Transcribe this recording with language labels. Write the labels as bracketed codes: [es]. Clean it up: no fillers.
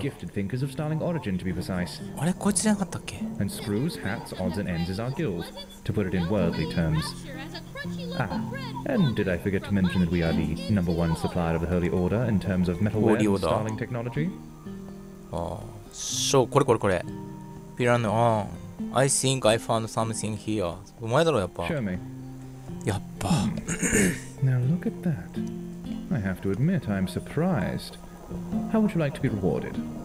[ja] あれ、こいつじゃなかったっけ？ [en] And screws, hats, odds and ends is our guild, to put it in worldly terms. Ah, and did I forget to mention that we are the number one supplier of the Holy Order in terms of metalware and starling technology? [ja] ああ、そう、これこれこれ。ピラノ、ああ。 [en] I think I found something here. [ja] お前だろ、やっぱ。 [en] Show me. [ja] やっぱ。 [en] Now look at that. I have to admit, I'm surprised. How would you like to be rewarded?